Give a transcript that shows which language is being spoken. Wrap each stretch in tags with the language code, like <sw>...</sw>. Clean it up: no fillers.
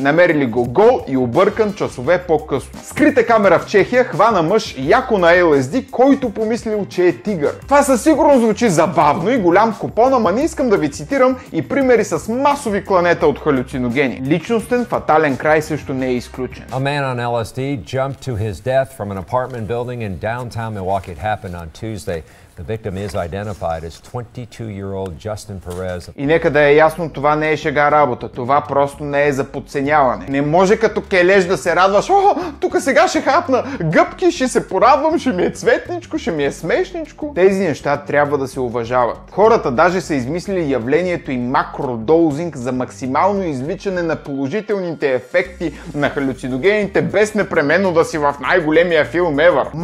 <bg>Намерили го гол и объркан часове по-късно. Скрита камера в Чехия хвана мъж яко на LSD, който помислил, че е тигър. Това със сигурно звучи забавно и голям купон, ама не искам да ви цитирам и примери с масови кланета от халюциногени. Личностен фатален край също не е изключен.</bg> <en>A man on LSD jumped to his death from an apartment building in downtown Milwaukee. It happened on Tuesday. The victim is identified as 22-year-old Justin Perez.</en> <bg>И нека да е ясно, това не е шега работа. Това просто не е за подценяване. Не може като кележ да се радваш. О, тук сега ще хапна гъбки, ще се порадвам, ще ми е цветничко, ще ми е смешничко. Тези неща трябва да се уважават. Хората даже са измислили явлението и макродоузинг за максимално извличане на положителните ефекти на халюциногените, без непременно да си в най-големия филм ever.</bg>